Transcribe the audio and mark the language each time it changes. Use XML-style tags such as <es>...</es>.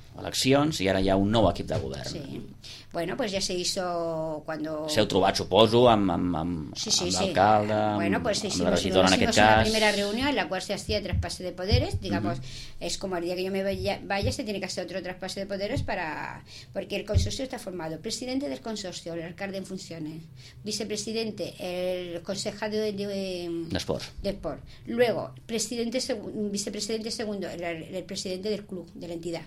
<ca>eleccions i ara hi ha un nou equip de govern. Sí.</ca> <es>Bueno, pues ya se hizo cuando...</es> <ca>S'heu trobat, suposo, amb l'alcalde, sí.</ca> <es>Bueno, pues,</es> <ca>amb la regidora en aquest cas.</ca> <es>Hicimos una primera reunió en la qual se hacía traspase de poderes, digamos, es como el día que yo me vaya se tiene que hacer otro traspase de poderes para... Porque el consorcio está formado, presidente del consorcio, el alcalde en funciones, vicepresidente, el concejal de esport, luego vicepresidente segundo, el presidente del club, de la entidad,</es>